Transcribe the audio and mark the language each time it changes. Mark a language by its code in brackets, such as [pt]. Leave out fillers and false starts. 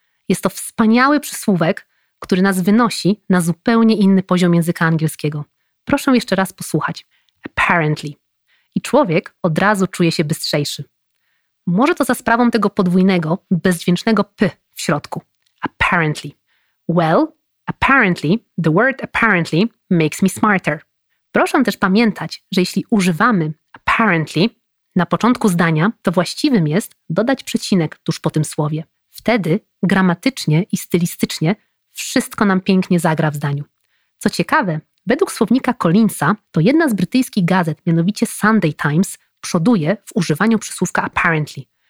[pl] Jest to wspaniały przysłówek, który nas wynosi na zupełnie inny poziom języka angielskiego. Proszę jeszcze raz posłuchać. Apparently. I człowiek od razu czuje się bystrzejszy. Może to za sprawą tego podwójnego, bezdźwięcznego p w środku. Apparently. Well, [en] Apparently, the word apparently makes me smarter. [pl] Proszę też pamiętać, że jeśli używamy apparently na początku zdania, to właściwym jest dodać przecinek tuż po tym słowie. Wtedy gramatycznie i stylistycznie wszystko nam pięknie zagra w zdaniu. Co ciekawe, według słownika Collinsa, to jedna z brytyjskich gazet, mianowicie Sunday Times, przoduje w używaniu przysłówka apparently.